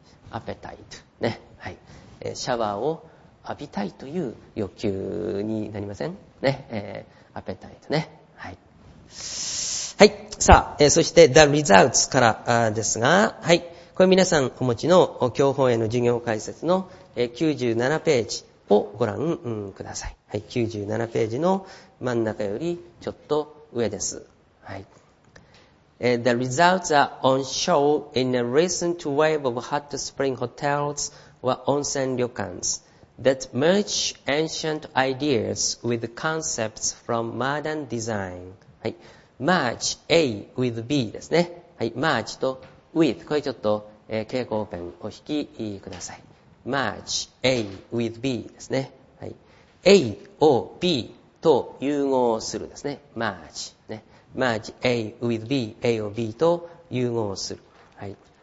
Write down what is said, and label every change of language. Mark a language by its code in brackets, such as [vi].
[ja] アペタイトね、はい、シャワーを浴びたいという欲求になりませんね、アペタイトね、はい、はい、さあ、そして The Results からですが、はい、これ皆さんお持ちの教本への授業解説の97ページをご覧ください。はい、97ページの真ん中よりちょっと上です。はい、 [en] The results are on show in a recent wave of hot spring hotels or onsen ryokans that merge ancient ideas with concepts from modern design. [ja] はい。 [en] Merge A with B [ja] ですね。はい。 Merge と with。これちょっと、蛍光ペンを引きください。 [en] Merge A with B [ja] ですね。はい。 A を B と融合するですね。 Merge ね。 [en] Merge A with B、 [ja] A を B と融合する。はい。